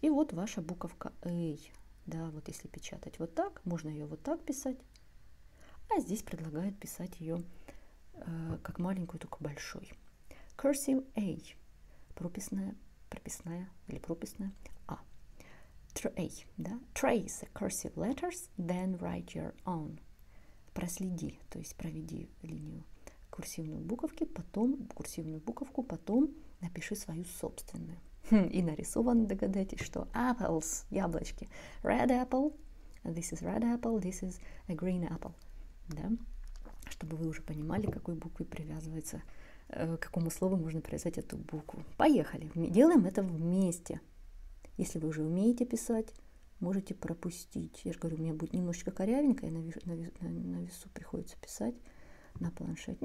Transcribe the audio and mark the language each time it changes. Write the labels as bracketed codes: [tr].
[ru] И вот ваша буковка A. Да, вот если печатать вот так, можно ее вот так писать. А здесь предлагают писать ее как маленькую, только большой. [en] Cursive A. [ru] Прописная, прописная или прописная A. Да? [en] Trace cursive letters, then write your own. [ru] Проследи, то есть проведи линию курсивную буковки, потом курсивную буковку, потом напиши свою собственную. И нарисован, догадайтесь, что apples, яблочки. [en] Red apple, this is red apple, this is a green apple. [ru] Да? Чтобы вы уже понимали, к какой букве привязывается, к какому слову можно привязать эту букву. Поехали, делаем это вместе. Если вы уже умеете писать, можете пропустить. Я же говорю, у меня будет немножечко корявенько, я на весу приходится писать на планшете.